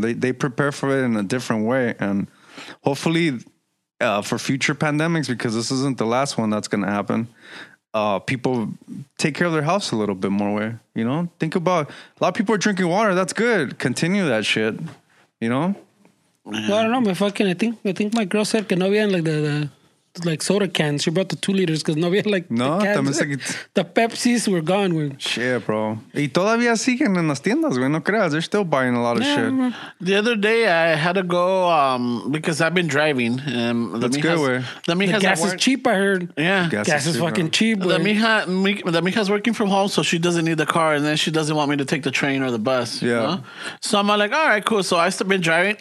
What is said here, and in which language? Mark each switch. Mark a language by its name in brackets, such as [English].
[English] They prepare for it in a different way. And hopefully for future pandemics, because this isn't the last one that's going to happen, people take care of their house a little bit more, way, you know, think about, a lot of people are drinking water. That's good. Continue that shit. You know? Well, I don't know, but fucking, I think my girl said [Spanish] que no había [English] like the soda cans. She brought the 2 liters because [Spanish] no había [English] like the cans. The Pepsis were gone. Wey. Shit, bro. [Spanish] Y todavía siguen en las tiendas, güey. No creas. [English] They're still buying a lot of shit. The other day I had to go because I've been driving. That's good, güey. The gas is cheap, I heard. Yeah. Gas is fucking cheap, güey. The mija's working from home, so she doesn't need the car, and then she doesn't want me to take the train or the bus. Yeah. You know? So I'm like, all right, cool. So I still been driving.